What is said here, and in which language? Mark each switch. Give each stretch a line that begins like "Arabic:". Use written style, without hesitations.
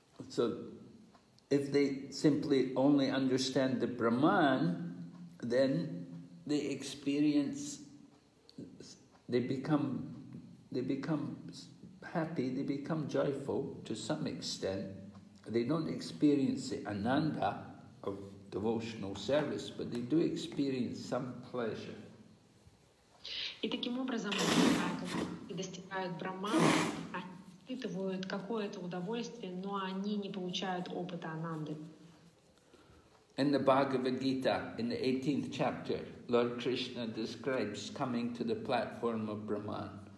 English: So, if they simply only understand the Brahman, then they experience, they become happy, they become joyful to some extent. They don't experience the ananda of devotional service, but they do experience some pleasure.
Russian: И таким образом, они достигают брахмана, испытывают какое-то удовольствие, но они не получают опыта ананды.
English: In the Bhagavad Gita, in the 18th chapter, Lord Krishna describes coming to the platform of Brahman.